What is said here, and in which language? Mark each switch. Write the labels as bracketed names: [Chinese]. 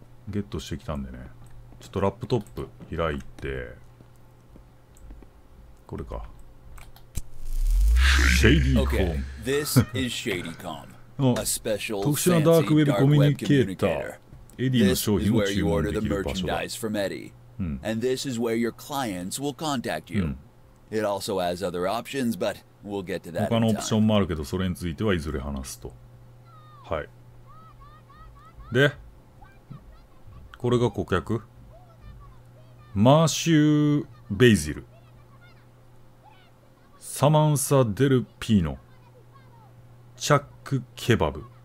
[Japanese] ゲットしてきたんでね。ちょっとラップトップ開いて、これか。シェイディーコーン。 [English] This is Shady Com. A special fancy dark web communicator. [Japanese] エディの商品を注文できる場所だ。 [English] This is where you order the merchandise from Eddie. And this is where your clients will contact you. It also has other options, but we'll get to that. [Japanese] 他のオプションもあるけど、それについてはいずれ話すと。はい。で。これが顧客？マーシュー・ベイジル。サマンサ・デル・ピーノ。チャック・ケバブ。